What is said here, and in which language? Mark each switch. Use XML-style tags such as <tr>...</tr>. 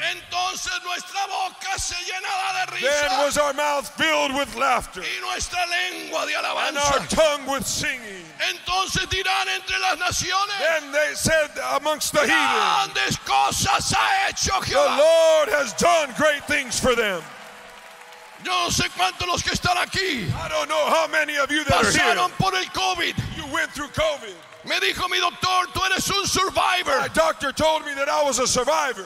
<es>Entonces nuestra boca se llenará de risa.</es> <en>Then was our mouth filled with laughter.</en> <es>Y nuestra lengua de alabanza.</es> <en>And our tongue with singing.</en> <es>Entonces dirán entre las naciones,</es> <en>then they said amongst the heathen,</en> <es>grandes cosas ha hecho Jehová.</es> <en>The Lord has done great things for them.</en> <es>Yo no sé cuántos los que están aquí.</es> <en>I don't know how many of you that</en> <es>pasaron</es> <en>are here.</en> <es>Por el COVID.</es> <en>You went through COVID.</en> <es>Me dijo mi doctor, tú eres un survivor.</es> <en>My doctor told me that I was a survivor.</en>